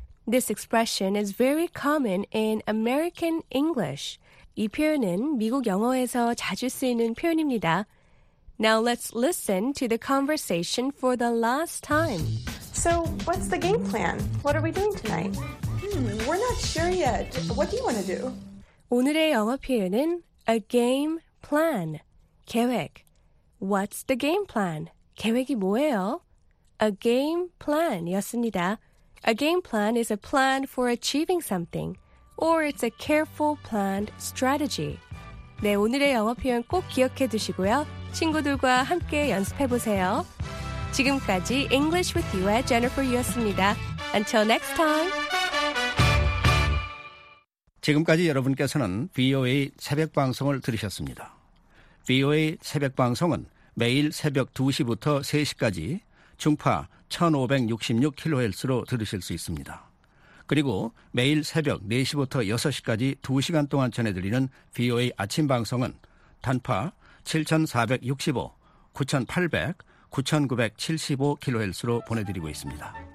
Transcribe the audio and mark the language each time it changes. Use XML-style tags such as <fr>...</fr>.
<en>This expression is very common in American English.</en> <ko>이 표현은 미국 영어에서 자주 쓰이는 표현입니다.</ko> <en>Now let's listen to the conversation for the last time. So, what's the game plan? What are we doing tonight? We're not sure yet. What do you want to do?</en> <ko>오늘의 영어 표현은 a game plan, 계획.</ko> <en>What's the game plan?</en> <ko>계획이 뭐예요?</ko> <en>A game plan이었습니다. A game plan is a plan for achieving something, or it's a careful planned strategy.</en> <ko>네, 오늘의 영어 표현 꼭 기억해 두시고요. 친구들과 함께 연습해 보세요. 지금까지 English with you의 Jennifer였습니다.</ko> <en>Until next time!</en> <ko>지금까지 여러분께서는 VOA 새벽 방송을 들으셨습니다. VOA 새벽 방송은 매일 새벽 2시부터 3시까지 중파 1566kHz로 들으실 수 있습니다. 그리고 매일 새벽 4시부터 6시까지 2시간 동안 전해드리는 VOA 아침 방송은 단파 7465, 9800, 9975kHz로 보내드리고 있습니다.</ko>